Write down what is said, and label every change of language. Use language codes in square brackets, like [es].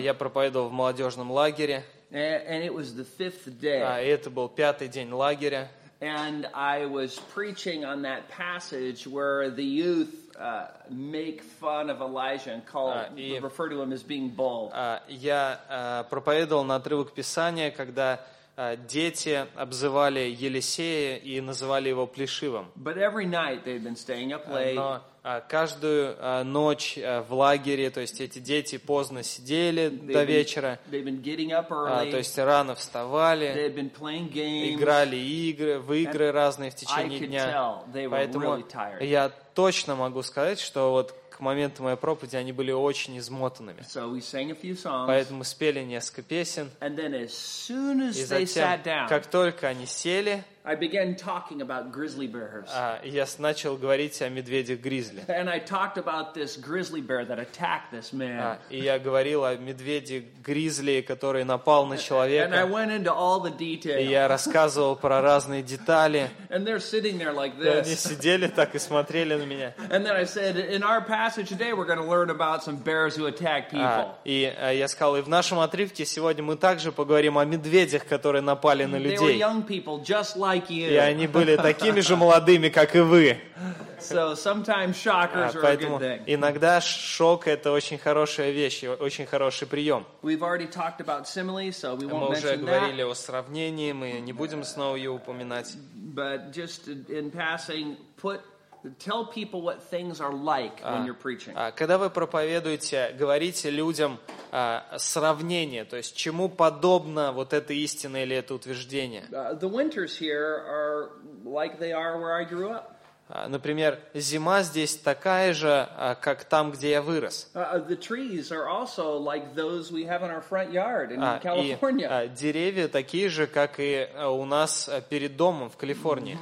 [ru] Я проповедовал в молодежном лагере. [en] And it was the fifth day. [ru] И это был пятый день лагеря. [en] And I was preaching on that passage where the youth make fun of Elijah and call refer to him as being bald. [ru] Я проповедовал на отрывок Писания, когда дети обзывали Елисея и называли его плешивым. [en] But every night they've been staying up late. [ru] Но каждую ночь в лагере, то есть эти дети поздно сидели до вечера. [en] They've been getting up early. [ru] То есть рано вставали. [en] They've been playing games. [ru] Играли игры, в игры разные в течение дня. [en] I could tell they were really tired. [ru] Я точно могу сказать, что вот к моменту моей проповеди они были очень измотанными. [en] So we sang a few songs, [ru] поэтому спели несколько песен. [en] And then as soon as they sat down, [ru] и затем, как только они сели, [en] I began talking about grizzly bears. [ru] Я начал говорить о медведях гризли. [en] And I talked about this grizzly bear that attacked this man. [ru] И я говорил о медведе гризли, который напал на человека. [en] And I went into all the details. [ru] И я рассказывал про разные детали. [en] And they're sitting there like this. [ru] Они сидели так и смотрели на меня. [en] And then I said, in our passage today, we're going to learn about some bears who attack people. [ru] И я сказал, и в нашем отрывке сегодня мы также поговорим о медведях, которые напали на людей. [en] They were young people, just like you. [ru] И они были такими же молодыми, как и вы. [en] So sometimes shockers are [ru] поэтому [en] a good thing. [ru] Иногда шок – это очень хорошая вещь, очень хороший прием. [en] We've already talked about similes, so we won't [ru] мы уже [en] mention [ru] говорили [en] that. [ru] О сравнении, мы не будем снова ее упоминать. [en] But just in passing, tell people what things are like when you're preaching. [ru] Когда вы проповедуете, говорите людям сравнение, то есть чему подобно вот эта истина или это утверждение. [en] The winters here are like they are where I grew up. [ru] Например, зима здесь такая же, как там, где я вырос. [en] The trees are also like those we have in our front yard in California. [ru] Деревья такие же, как и у нас перед домом в Калифорнии.